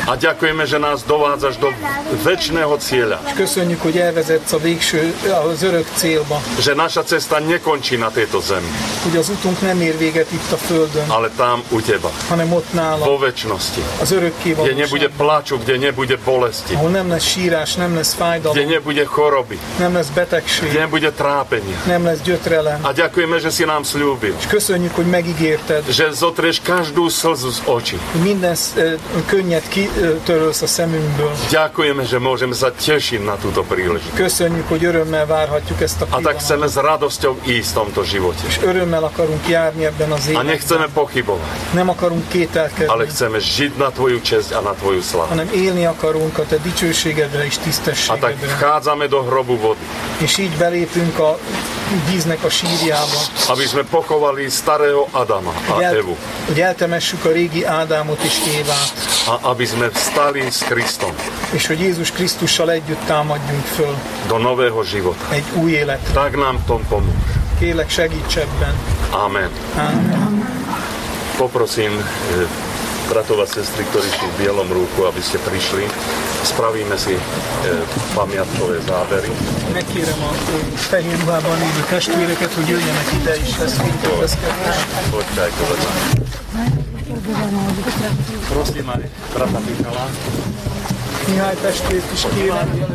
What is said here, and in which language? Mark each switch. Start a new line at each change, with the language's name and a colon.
Slovak: A ďakujeme, že nás dovádzaš do večného cieľa.
Hungarian: És köszönjük, hogy elvezetsz a végső, az örök célba.
Slovak: Že naša cesta nekončí na tejto zemi.
Hungarian: Hogy az útunk nem ér véget itt a földön.
Slovak: Ale tam u teba.
Hungarian: Hanem ott nála.
Slovak: Vo večnosti.
Hungarian: Az örökké valóság.
Slovak: Kde nebude pláču, kde nebude bolesti.
Hungarian: Ahol nem lesz sírás, nem lesz fájdalom.
Slovak: Kde nebude choroby.
Hungarian: Nem lesz betegség.
Slovak: Kde nebude trápenie.
Hungarian: Nem lesz gyötrelem.
Slovak: A ďakujeme, že si nám sľúbil.
Hungarian: És köszönjük, hogy megígérted.
Slovak: Že zotrieš každú slzu z očí.
Hungarian: Minden könnyet kitörölsz a szemünkből.
Slovak: Ďakujeme, že môžeme sa tešiť na túto príležitosť.
Hungarian: Köszönjük, hogy örömmel várhatjuk ezt a pillanatot.
Slovak: A tak chceme s radosťou ísť v tomto živote.
Hungarian: És örömmel akarunk járni ebben az életben.
Slovak: A nechceme pochybovať.
Hungarian: Nem akarunk kételkedni.
Slovak: Ale chceme žiť na tvoju česť a na tvoju slávu.
Hungarian: Hanem élni akarunk a te dicsőségedre és tisztességedre.
Slovak: A tak vchádzame do hrobu vody.
Hungarian: És így belépünk a víznek a sírjába.
Slovak: Aby sme pochovali starého Adama a Evu.
Hungarian: Hogy eltemessük a régi Ádámot és Évát.
Slovak: A aby sme vstali s Krisztom.
Hungarian: És hogy Jézus Krisztussal együtt támadjunk föl.
Slovak: Do nového života.
Hungarian: Egy új életre.
Slovak: Tak nám tom pomôž.
Hungarian: Kérlek, segíts ebben.
Slovak: Amen.
Hungarian: Amen.
Slovak: Poprosím bratov a sestry, ktorí sú v bielom rúchu, aby ste prišli. Spravíme si pamiatkové zábery.
Hungarian: Megkérem a fehér ruhában lévő testvéreket, hogy jöjjenek ide is, lesz fintorveszkedés. Hogy kell követni?
Slovak: Prosím, brata Michala.
Hungarian: Mihály testvért is kérem.